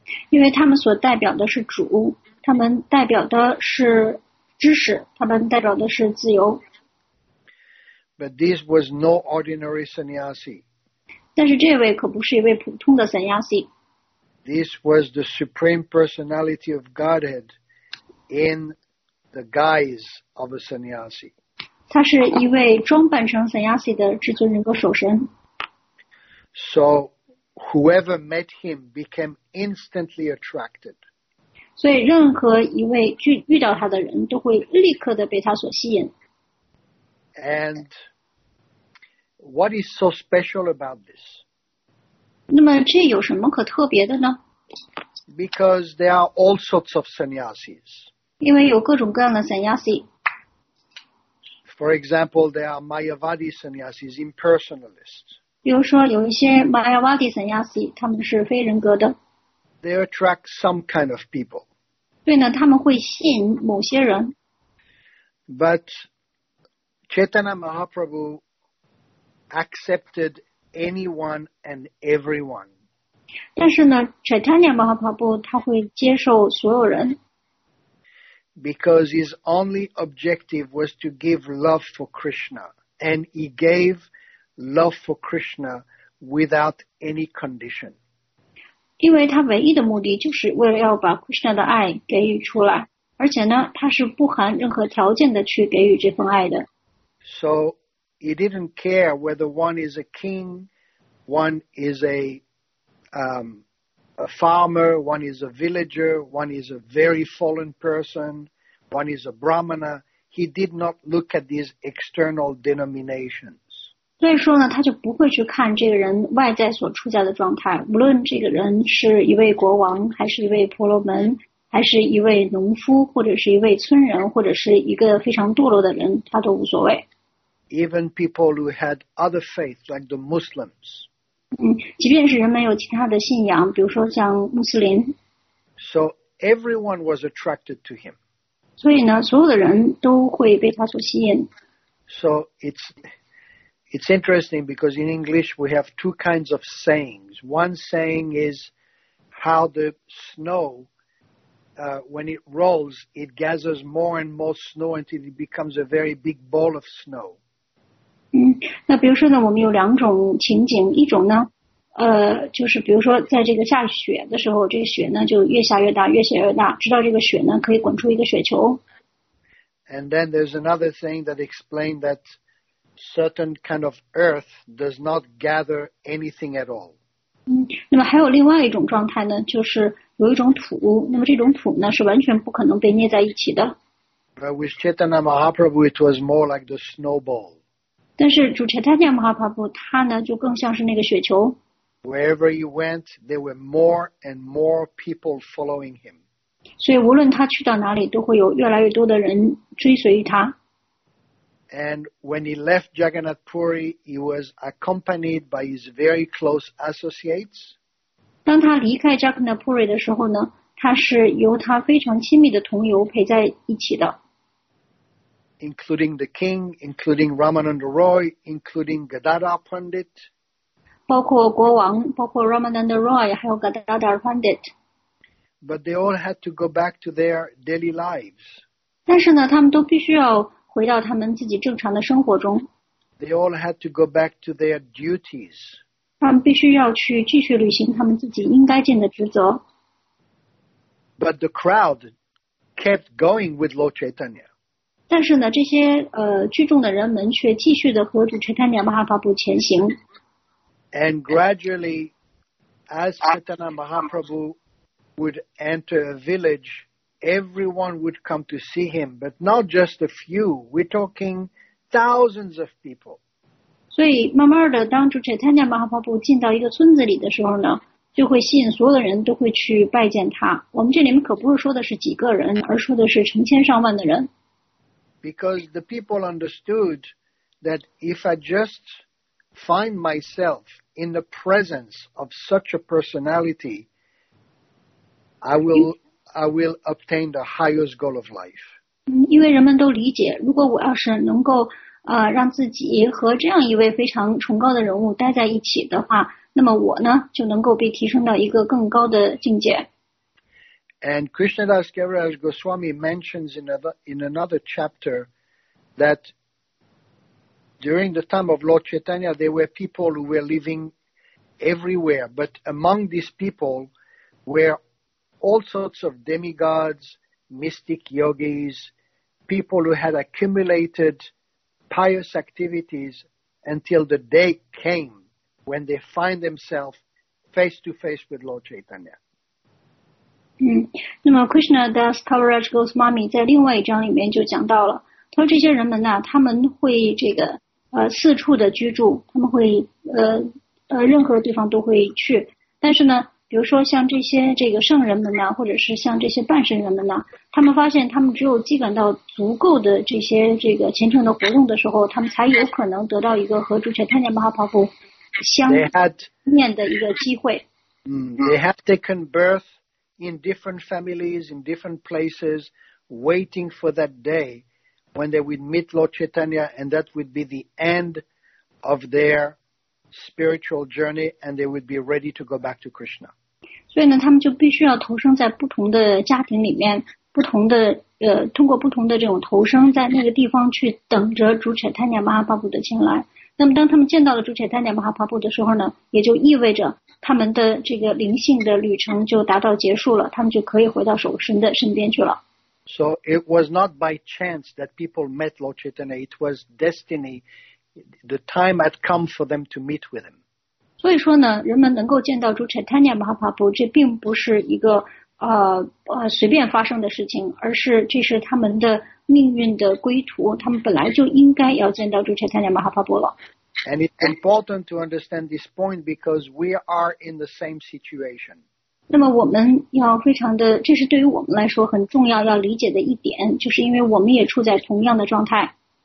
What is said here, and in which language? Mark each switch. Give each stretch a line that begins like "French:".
Chinese: 因为他们所代表的是主，他们代表的是知识，他们代表的是自由。
English: But this was no ordinary sannyasi.
Chinese: 但是这位可不是一位普通的 sannyasi。
English: This was the supreme personality of Godhead in the guise of a sannyasi。
Chinese: 他是一位装扮成 sannyasi 的至尊人格守神。
English: So whoever met him became instantly attracted。
Chinese: 所以任何一位遇到他的人都会立刻的被他所吸引。
English: And what is so special about this?
Chinese: 那么这有什么可特别的呢?
English: Because there are all sorts of sannyasis.
Chinese: 因为有各种各样的 sannyasi.
English: For example, there are Mayavadi sannyasis, impersonalists.
Chinese: 比如说有一些 Mayavadi sannyasi, 他们是非人格的。
English: They attract some kind of people.
Chinese: 对呢，他们会吸引某些人。
English: But Chaitanya Mahaprabhu accepted anyone and everyone.
Chinese: 但是呢 Chaitanya Mahaprabhu 他会接受所有人。
English: Because his only objective was to give love for Krishna, and he gave love for Krishna without any condition.
Chinese: 因为他唯一的目的就是为了要把 Krishna 的爱给予出来，而且呢，他是不含任何条件的去给予这份爱的。
English: So,He didn't care whether one is a king, one is a a farmer, one is a villager, one is a very fallen person, one is a brahmana. He did not look at these external denominations.
Chinese: 所以说呢，他就不会去看这个人外在所处在的状态，无论这个人是一位国王，还是一位婆罗门，还是一位农夫，或者是一位村人，或者是一个非常堕落的人，他都无所谓。
English: Even people who had other faiths, like the Muslims.
Chinese: 即便是人们有其他的信仰，比如说像穆斯林。
English: So everyone was attracted to him.
Chinese: 所以呢，所有的人都会被他所吸引。
English: So it's interesting because in English we have two kinds of sayings. One saying is how the snow, when it rolls, it gathers more and more snow until it becomes a very big ball of snow.
Chinese: 那比如说呢，我们有两种情景，一种呢，就是比如说在这个下雪的时候，这个雪呢就越下越大，越下越大，直到这个雪呢可以滚出一个雪球。
English: And then there's another thing that explained that certain kind of earth does not gather anything at all.
Chinese: 那么还有另外一种状态呢，就是有一种土，那么这种土呢是完全不可能被捏在一起的。
English: But with Chaitanya Mahaprabhu, it was more like the snowball.
Chinese: 但是主持他念马哈帕布他呢就更像是那个雪球。
English: Wherever he went, there were more and more people following him.
Chinese: 所以无论他去到哪里都会有越来越多的人追随他。
English: And when he left Jagannath Puri, he was accompanied by his very close associates.
Chinese: 当他离开 Jagannath Puri 的时候呢他是由他非常亲密的同游陪在一起的。
English: Including the king, including Ramananda Roy, including Gadadhar Pandit.
Chinese: 包括国王，包括 Ramananda Roy， 还有 Gadadhar Pandit.
English: But they all had to go back to their daily lives.
Chinese: 但是呢，他们都必须要回到他们自己正常的生活中。
English: They all had to go back to their duties.
Chinese: 他们必须要去继续履行他们自己应该尽的职责。
English: But the crowd kept going with Lord Chaitanya.
Chinese: 但是呢这些聚众的人们却继续地和主持坦尼亚马哈帕布前行。
English: And gradually, as Chaitanya Mahaprabhu would enter a village, everyone would come to see him, but not just a few, we're talking thousands of people.
Chinese: 所以慢慢的当主持坦尼亚马哈帕布进到一个村子里的时候呢就会吸引所有的人都会去拜见他。我们这里面可不是说的是几个人而说的是成千上万的人。
English: Because the people understood that if I just find myself in the presence of such a personality, I will obtain the highest goal of life.
Chinese: 因为人们都理解，如果我要是能够让自己和这样一位非常崇高的人物待在一起的话，那么我呢就能够被提升到一个更高的境界。
English: And Krishnadas Kaviraj Goswami mentions in another chapter that during the time of Lord Chaitanya, there were people who were living everywhere. But among these people were all sorts of demigods, mystic yogis, people who had accumulated pious activities until the day came when they find themselves face to face with Lord Chaitanya.
Chinese: 那么 Krishna Das Kaviraj Goswami 在另外一章里面就讲到了，他说这些人们呢，他们会这个四处的居住，他们会任何地方都会去。但是呢，比如说像这些这个圣人们呢，或者是像这些半圣人们呢，他们发现他们只有积攒到足够的这些这个虔诚的活动的时候，他们才有可能得到一个和主持坦尼亚马哈帕布相面的一个机会。
English: They have taken birth. In different families, in different places, waiting for that day when they would meet Lord Chaitanya, and that would be the end of their spiritual journey, and they would be ready to go back to Krishna.
Chinese: 所以呢，他们就必须要投生在不同的家庭里面，不同的通过不同的这种投生，在那个地方去等着主持坦尼亚马哈帕布的前来。那么，当他们见到了主持坦尼亚马哈帕布的时候呢，也就意味着。他们的这个灵性的旅程就达到结束了，他们就可以回到守神的身边去了。
English: So it was not by chance that people met Lord Chaitanya. It was destiny. The time had come for them to meet with him.
Chinese: 所以说呢，人们能够见到主 Chaitanya Mahaprabhu， 这并不是一个随便发生的事情，而是这是他们的命运的归途，他们本来就应该要见到主 Chaitanya Mahaprabhu 了。
English: And it's important to understand this point because we are in the same situation.
Chinese: 那么我们要非常的，这是对于我们来说很重要要理解的一点，就是因为我们也处在同样的状态。